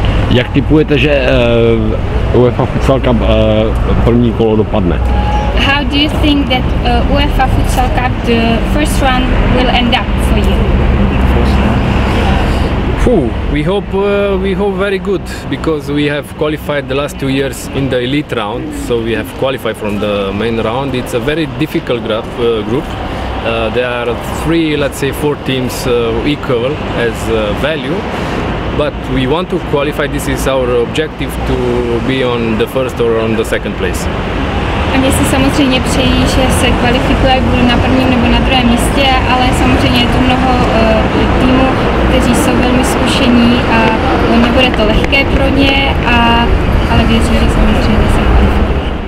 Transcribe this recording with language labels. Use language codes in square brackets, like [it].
[cs] Jak tipujete, že UEFA Futsal Cup první kolo dopadne? [en] How do you think that UEFA Futsal Cup, the first round, will end up for you? We hope very good, because we have qualified the last 2 years in the elite round, so we have qualified from the main round. It's a very difficult group. There are 3, let's say, 4 teams equal as value, but we want to qualify. This is our objective, to be on the first or on the second place. [cs] A mě se samozřejmě přejí, že se kvalifikuje, jak budu na prvním nebo na druhém místě, ale samozřejmě je tu mnoho týmů, kteří jsou velmi zkušení a nebude to lehké pro ně, ale věřím, že samozřejmě se kvalifikuje.